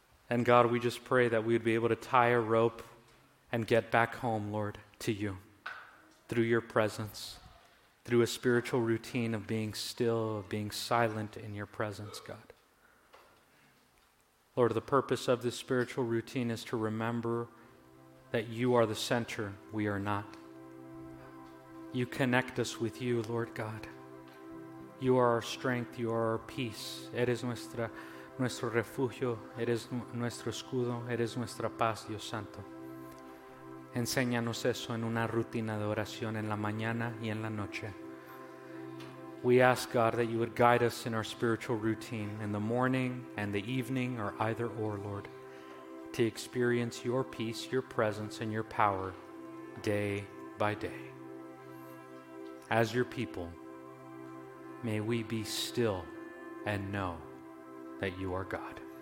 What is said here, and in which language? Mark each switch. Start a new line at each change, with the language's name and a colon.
English: And God, we just pray that we would be able to tie a rope and get back home, Lord, to you through your presence, through a spiritual routine of being still, of being silent in your presence, God. Lord, the purpose of this spiritual routine is to remember that you are the center, we are not. You connect us with you, Lord God. You are our strength, you are our peace.
Spanish: Eres nuestro refugio, eres nuestro escudo, eres nuestra paz, Dios Santo. Enséñanos eso en una rutina de oración en la mañana y en la noche.
English: We ask, God, that you would guide us in our spiritual routine in the morning and the evening, or either or, Lord, to experience your peace, your presence, and your power day by day. As your people, may we be still and know that you are God.